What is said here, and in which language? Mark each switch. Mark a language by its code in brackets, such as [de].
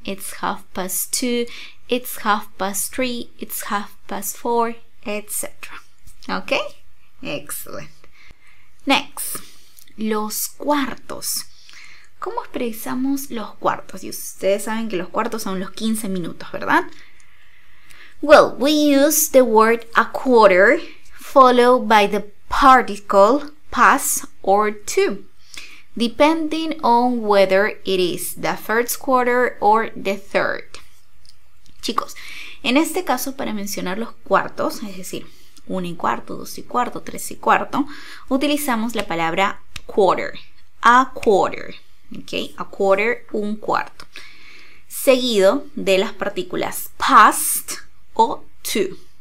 [en] It's half past 2. It's half past 3. It's half past 4, etc. ¿Ok? Excellent. Next, [es] los cuartos. ¿Cómo expresamos los cuartos? Y ustedes saben que los cuartos son los 15 minutos, ¿verdad? [en] Well, we use the word a quarter followed by the particle past or to, depending on whether it is the first quarter or the third. [es] Chicos, en este caso, para mencionar los cuartos, es decir, 1 y cuarto, 2 y cuarto, 3 y cuarto, utilizamos la palabra quarter, a quarter, okay? A quarter, un cuarto, seguido de las partículas past o to.